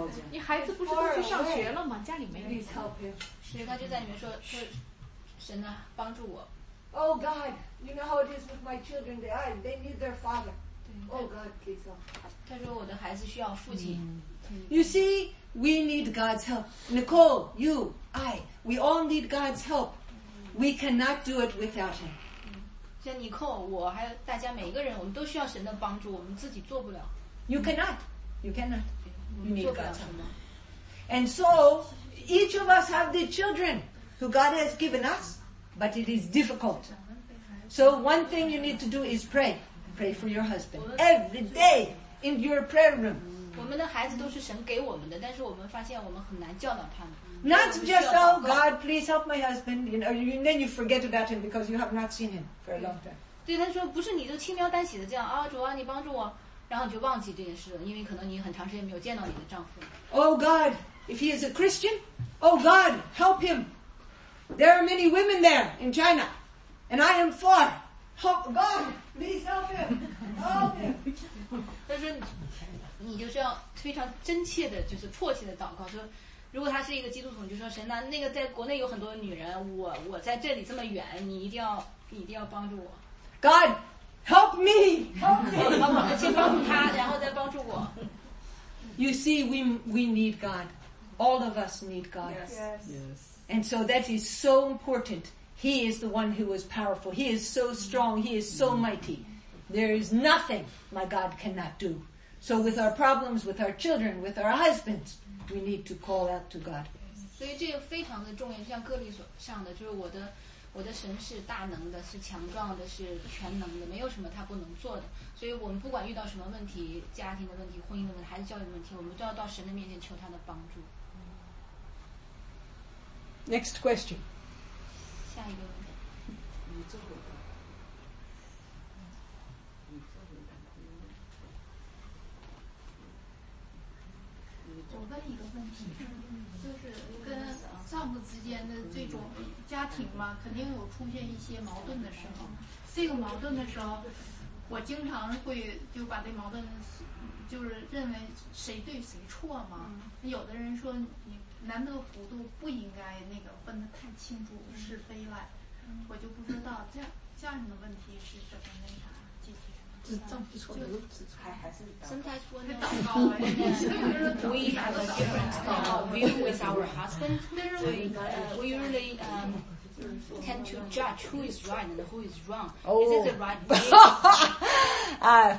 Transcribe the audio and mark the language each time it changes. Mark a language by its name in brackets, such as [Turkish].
[Chinese] 你孩子不是都去上学了吗？家里没人。所以他就在里面说：“神啊，帮助我。” [English] Oh God, you know how it is with my children. They need their father. Oh God, please help. [Chinese] 他说：“我的孩子需要父亲。” [English] You see, we need God's help. Nicole, you. I, we all need God's help. We cannot do it without Him. [Chinese] 像 Nicole, 我还有大家每一个人，我们都需要神的帮助，我们自己做不了。 [English] You cannot. You cannot. You need God's help. And so, each of us have the children who God has given us, but it is difficult. So one thing you need to do is pray. Pray for your husband. Every day in your prayer room. [Chinese] 我们的孩子都是神给我们的，但是我们发现我们很难教导他们。 [English] Not just, oh God, please help my husband, you know, and then you forget about him because you have not seen him for a long time. [Chinese] 对，他说不是你就轻描淡写的这样啊，主啊，你帮助我，然后你就忘记这件事了，因为可能你很长时间没有见到你的丈夫。 [English] Oh God, if he is a Christian, oh God, help him. There are many women there in China, and I am far. Help God, please help him. Help him. [Chinese] 他说，你就是要非常真切的，就是迫切的祷告说。如果他是一个基督徒，就说神呐，那个在国内有很多女人，我在这里这么远，你一定要帮助我。 [English] God, help me, help me. [Chinese] 先帮助他，然后再帮助我。 [English] You see, we need God. All of us need God. Yes. Yes. And so that is so important. He is the one who is powerful. He is so strong. He is so mighty. There is nothing my God cannot do. So with our problems, with our children, with our husbands. We need to call out to God. [Chinese] 所以这个非常的重要，像歌里所唱的，就是我的神是大能的，是强壮的，是全能的，没有什么他不能做的。所以我们不管遇到什么问题，家庭的问题、婚姻的问题、孩子教育的问题，我们都要到神的面前求他的帮助。 [English] Next question. [Chinese] 下一个问题。我问一个问题，就是跟丈夫之间的这种家庭嘛，肯定有出现一些矛盾的时候。这个矛盾的时候，我经常会就把这矛盾，就是认为谁对谁错嘛。有的人说，你难得糊涂，不应该那个分得太清楚是非来。我就不知道这样的问题是怎么那啥解决。 [English] Sometimes we have a different view with our husband. We really tend to judge who is right and who is wrong. Oh. Is it the right way?